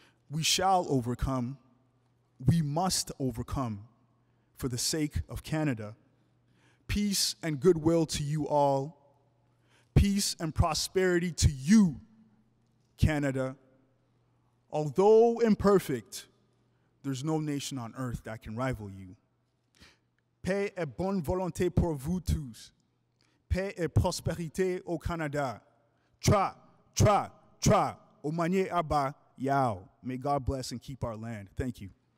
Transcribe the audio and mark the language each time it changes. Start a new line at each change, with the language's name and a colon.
English: We shall overcome. We must overcome for the sake of Canada. Peace and goodwill to you all. Peace and prosperity to you, Canada. Although imperfect, there's no nation on earth that can rival you.
French: Paix et bonne volonté pour vous tous. Paix et prospérité au Canada.
English: Tra, tra, tra.
Ga: Omanye abba, yao.
English: May God bless and keep our land. Thank you.